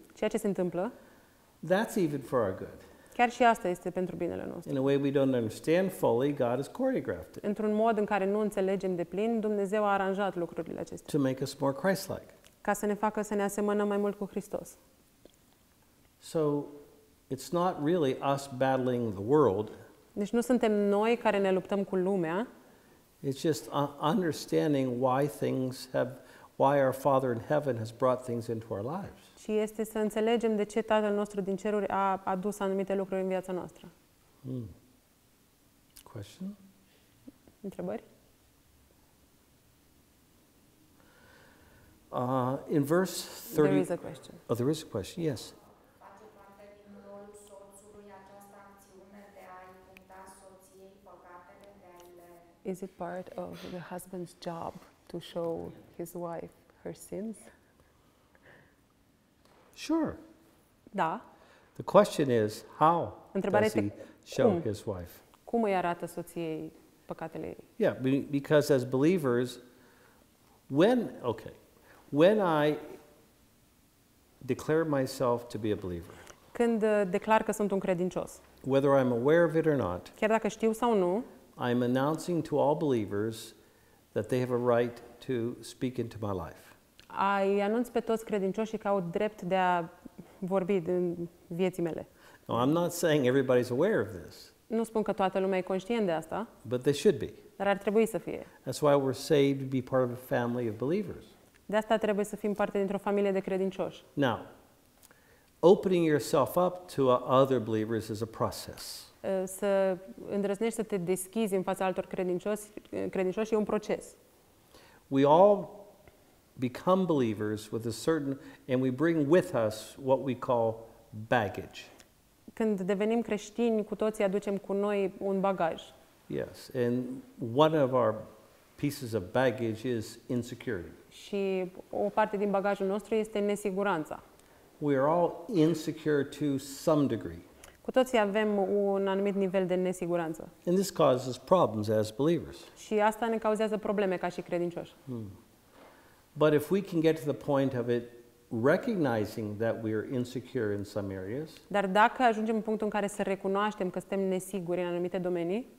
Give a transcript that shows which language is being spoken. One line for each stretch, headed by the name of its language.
Romanian: ceea ce se întâmplă,
English: that's even for our good.
Romanian: Chiar și asta este pentru binele nostru.
English: In a way we don't understand fully, God has choreographed it.
Romanian: Într-un mod în care nu înțelegem deplin, Dumnezeu a aranjat lucrurile acestea.
English: To make us more Christ-like.
Romanian: Ca să ne facă să ne asemănăm mai mult cu Hristos.
English: So it's not really us battling the world.
Romanian: Deci nu suntem noi care ne luptăm cu lumea.
English: It's just understanding why things have why our Father in heaven has brought things into our lives.
Romanian: Și este să înțelegem de ce Tatăl nostru din ceruri a adus anumite lucruri în viața noastră.
English: Question?
Romanian: Întrebări?
English: In verse 30. There is a question. Oh, there is a question. Yes. Is it part of the husband's job to show his wife her sins? Sure.
Romanian: Da.
English: The question is how does he show his wife?
Romanian: Cum îi arată soției păcatele?
English: Yeah, because as believers, when I declare myself to be a believer,
Romanian: când declar că sunt un credincios,
English: whether I'm aware of it or not,
Romanian: chiar dacă știu sau nu,
English: I'm announcing to all believers that they have a right to speak into my life.
Romanian: I anunț pe toți credincioșii că au drept de a vorbi în viețile mele.
English: No, I'm not saying everybody's aware of this.
Romanian: Nu spun că toată lumea e conștient de asta.
English: But they should be.
Romanian: Dar ar trebui să fie.
English: That's why we're saved to be part of a family of believers.
Romanian: De asta trebuie să fim parte dintr-o familie de credincioși.
English: Now, opening yourself up to other believers is a process.
Romanian: Să îndrăznești să te deschizi în fața altor credincioși e un proces.
English: We all become believers with a certain and we bring with us what we call baggage.
Romanian: Când devenim creștini, cu toții aducem cu noi un bagaj.
English: Yes, and one of our pieces of baggage is insecurity.
Romanian: Și o parte din bagajul nostru este nesiguranța.
English: We are all insecure to some degree.
Romanian: Cu toții avem un anumit nivel de nesiguranță.
English: And this causes problems as believers.
Romanian: Și asta ne cauzează probleme ca și credincioși.
English: But if we can get to the point of it recognizing that we are insecure in some areas.
Romanian: Dar dacă ajungem în punctul în care să recunoaștem că suntem nesiguri în anumite domenii.